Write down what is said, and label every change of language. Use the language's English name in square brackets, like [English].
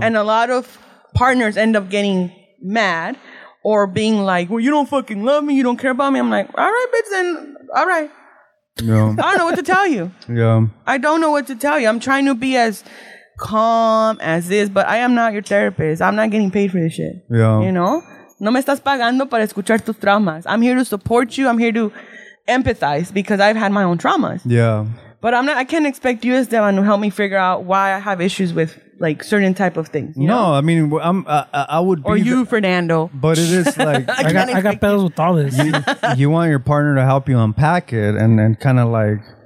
[English] And a lot of partners end up getting mad or being like, well, you don't fucking love me. You don't care about me. I'm like, all right, bitch, then. All right. Yeah. I don't know what to tell you. Yeah. I don't know what to tell you. I'm trying to be as calm as this, but I am not your therapist. I'm not getting paid for this shit. Yeah. You know? [Spanish] No me estás pagando para escuchar tus traumas. [English] I'm here to support you. I'm here to empathize because I've had my own traumas. Yeah. But I can't expect you, Esteban, to help me figure out why I have issues with like certain type of things. You know? I mean, I would be. Or you, Fernando. But it is like. I got pedals with all this. You want your partner to help you unpack it and kind of like.